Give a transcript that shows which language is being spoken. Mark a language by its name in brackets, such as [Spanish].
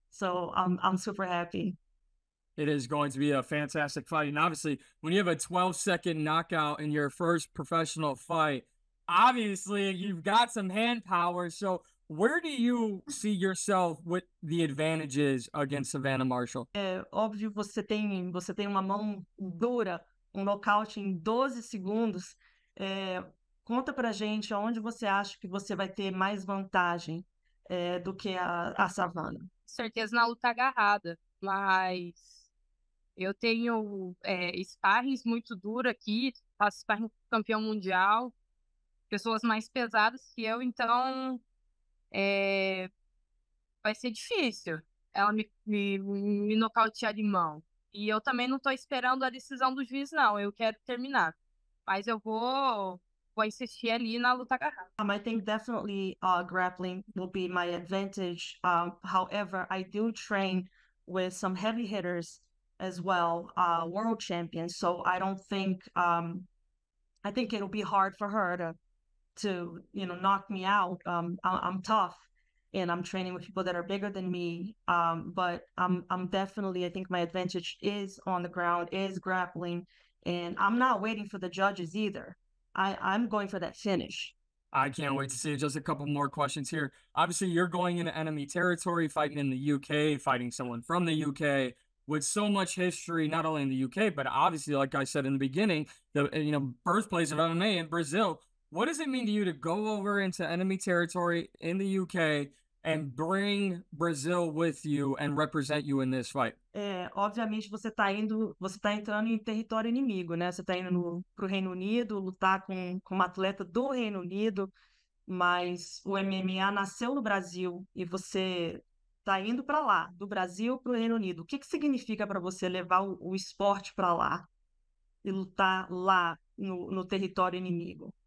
[English] So I'm super happy. It is going to be a fantastic fight. And obviously, when you have a 12-second knockout in your first professional fight, obviously you've got some hand power. So where do you see yourself with the advantages against Savannah Marshall? [Portuguese] É óbvio, você tem uma mão dura, um nocaute em 12 segundos. Conta pra gente onde você acha que você vai ter mais vantagem, do que a Savannah. Certeza na luta agarrada, mas eu tenho sparrings muito duro aqui, faço sparring campeão mundial, pessoas mais pesadas que eu, então vai ser difícil ela me nocautear de mão. E eu também não estou esperando a decisão do juiz, não, eu quero terminar, mas eu vou insistir ali na luta agarrada. [English] I think definitely grappling will be my advantage. However, I do train with some heavy hitters as well, world champions. So I don't think I think it'll be hard for her to knock me out. I'm tough, and I'm training with people that are bigger than me. But I'm definitely, I think my advantage is on the ground, is grappling, and I'm not waiting for the judges either. I'm going for that finish. I can't wait to see it. Just a couple more questions here. Obviously, you're going into enemy territory, fighting in the UK, fighting someone from the UK with so much history, not only in the UK, but obviously, like I said in the beginning, the birthplace of MMA in Brazil. What does it mean to you to go over into enemy territory in the UK and bring Brazil with you and represent you in this fight? [Portuguese] Obviamente você está entrando em território inimigo, né? Você está indo para o Reino Unido lutar com um atleta do Reino Unido, mas o MMA nasceu no Brasil e você está indo para lá, do Brasil para o Reino Unido. O que que significa para você levar o esporte para lá e lutar lá no território inimigo?